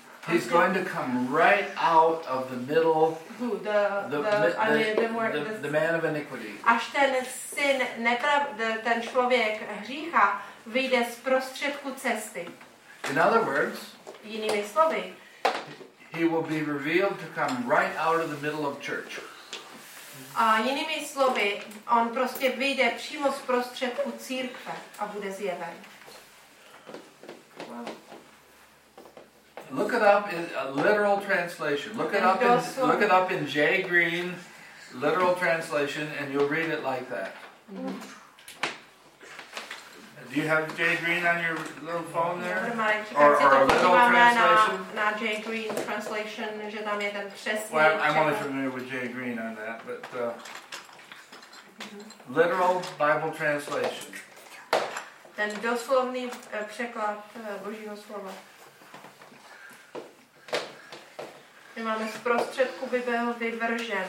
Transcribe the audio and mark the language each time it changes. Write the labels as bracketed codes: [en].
[en] He's going to come right out of the middle. Who the man of iniquity. [cs] Až ten syn ten člověk hřícha vyjde z prostředku cesty. [en] In other words, [cs] jinými slovy, [en] he will be revealed to come right out of the middle of church. [cs] A jinými slovy, on prostě vyjde přímo z prostředku církve a bude zjeven. [en] Look it up in a literal translation. Look it up in J. Green literal translation and you'll read it like that. Mm-hmm. Do you have J. Green on your little phone there? Or a literal translation? J. Green translation, [cs] že tam je ten přesný. [en] Well, I'm only familiar with J. Green on that, but literal Bible translation. [cs] Ten doslovný překlad Božího slova. My máme z prostředku by byl vyvržen.